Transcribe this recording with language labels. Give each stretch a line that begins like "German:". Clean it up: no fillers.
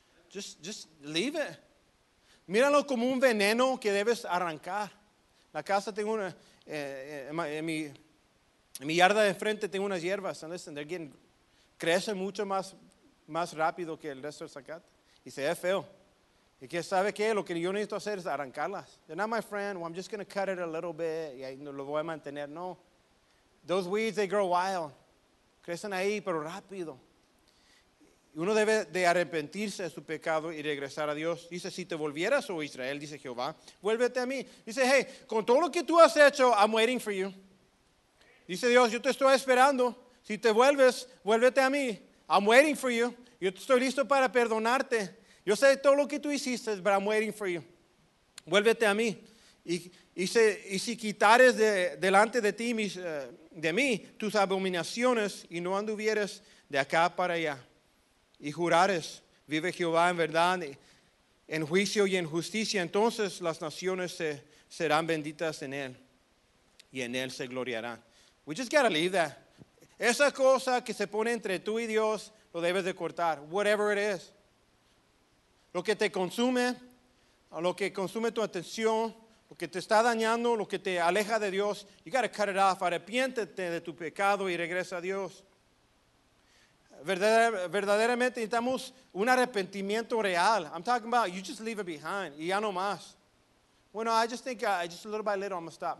English: Just leave it.
Spanish: Míralo como un veneno que debes arrancar. La casa tengo una, en mi yarda de frente tengo unas hierbas.
English: And listen, they're getting,
Spanish: crece mucho más rápido que el resto del zacate. Y se ve feo. Y que sabe qué, lo que yo necesito hacer es arrancarlas.
English: They're not my friend, well, I'm just going to cut it a little bit.
Spanish: Y ahí lo voy a mantener. No.
English: Those weeds, they grow wild.
Spanish: Crecen ahí, pero rápido. Uno debe de arrepentirse de su pecado y regresar a Dios. Dice, si te volvieras, oh Israel, dice Jehová, vuélvete a mí. Dice, hey, con todo lo que tú has hecho,
English: I'm waiting for you.
Spanish: Dice Dios, yo te estoy esperando. Si te vuelves, vuélvete a mí.
English: I'm waiting for you.
Spanish: Yo estoy listo para perdonarte. Yo sé todo lo que tú hiciste,
English: but I'm waiting for you.
Spanish: Vuélvete a mí. Y si quitares delante de ti, de mí, tus abominaciones y no anduvieres de acá para allá. Y jurares, vive Jehová en verdad, en juicio y en justicia. Entonces las naciones serán benditas en él y en él se gloriarán.
English: We just gotta leave that.
Spanish: Esa cosa que se pone entre tú y Dios, lo debes de cortar.
English: Whatever it is.
Spanish: Lo que te consume, lo que consume tu atención, lo que te está dañando, lo que te aleja de Dios.
English: You gotta cut it off.
Spanish: Arrepiéntete de tu pecado y regresa a Dios. Verdaderamente necesitamos un arrepentimiento real.
English: I'm talking about you just leave it behind.
Spanish: Y ya no más. Bueno,
English: I just think, just a little by little I'm gonna stop.